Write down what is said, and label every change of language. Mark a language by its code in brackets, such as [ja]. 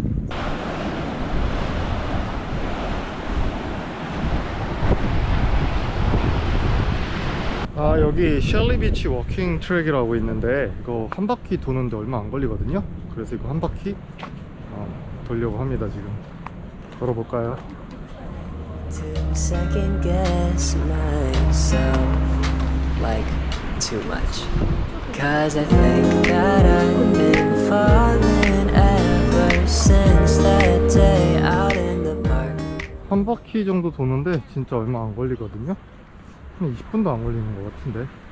[ko] 아, 여기 셸리 비치 워킹 트랙이라고 있는데 이거 한 바퀴 도는데 얼마 안 걸리거든요. 그래서 이거 한 바퀴 돌려고 합니다. 지금 걸어볼까요? [en] To second guess myself like too much. Cause I think that I've been falling ever since that day out in the park. [ko] 한 바퀴 정도 도는데 진짜 얼마 안 걸리거든요? 한 20분도 안 걸리는 것 같은데.